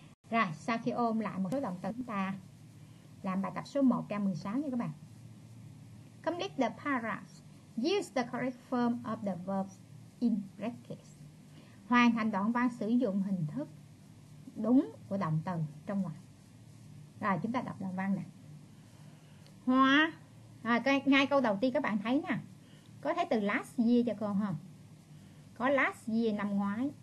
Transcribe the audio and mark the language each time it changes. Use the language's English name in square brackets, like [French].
[Vietnamese] Rồi, sau khi ôm lại một số động từ chúng ta làm bài tập số 116 nha các bạn. [English] Complete the paragraphs. Use the correct form of the verbs in brackets. [Vietnamese] Hoàn thành đoạn văn sử dụng hình thức đúng của động từ trong ngoặc. Rồi, chúng ta đọc đoạn văn nè. Hoa. Rồi, ngay câu đầu tiên các bạn thấy nè. Có thấy từ [English] last year [Vietnamese] cho cô không? Có last year năm ngoái.